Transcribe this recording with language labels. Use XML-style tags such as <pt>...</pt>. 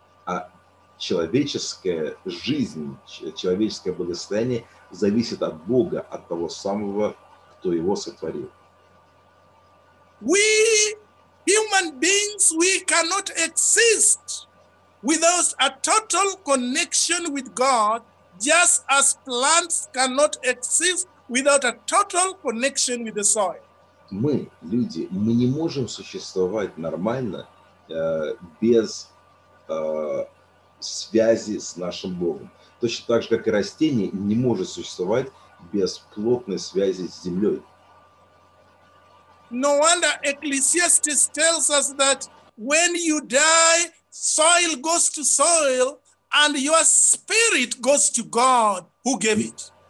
<ru>А человеческая жизнь, человеческое благосостояние зависит от Бога, от того самого, кто его сотворил.</ru> <en>We human beings, we cannot exist without a total connection with God, just as plants cannot exist without a total connection with the soil.</en> <ru>Мы, люди, мы не можем существовать нормально без связи с нашим Богом. Точно так же, как и растение не может существовать без плотной связи с землей.</ru> <en>No wonder Ecclesiastes tells us that when you die, soil goes to soil, and your spirit goes to God who gave it.</en>